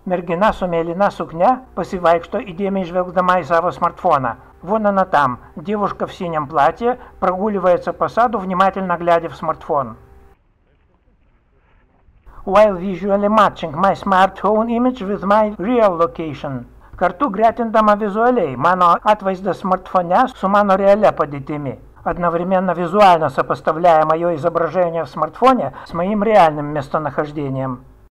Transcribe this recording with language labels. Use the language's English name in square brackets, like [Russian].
[Lithuanian] Mergina su mėlyna suknia pasivaikšto įdėmiai žvelgdama į savo smartfoną. [Russian] Вон она там, девушка в синем платье, прогуливается по саду, внимательно глядя в смартфон. [English] While visually matching my smartphone image with my real location. [Lithuanian] Kartu gretindama vizualiai, mano atvaizdas смартфоне su mano realia padėtimi. [Russian] Одновременно визуально сопоставляя мое изображение в смартфоне с моим реальным местонахождением.